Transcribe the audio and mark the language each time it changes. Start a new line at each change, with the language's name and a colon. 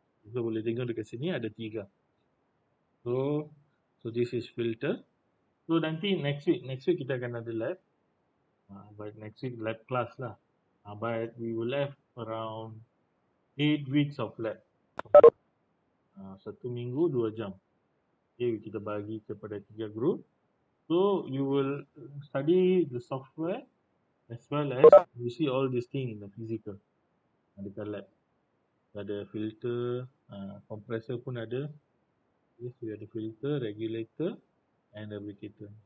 Malay: So boleh tengok dekat sini ada tiga.
English: So this is filter. So
Malay: nanti
English: next week
Malay: kita akan ada
English: lab. But next week lab class
Malay: lah.
English: But we will have around 8 weeks of lab.
Malay: Satu minggu 2 jam. Okay, kita bagi kepada 3 group.
English: So you will study the software as well as you see all these things in the physical.
Malay: Ada lab. Ada filter, compressor pun ada.
English: Yes, we have the filter, regulator and lubricator.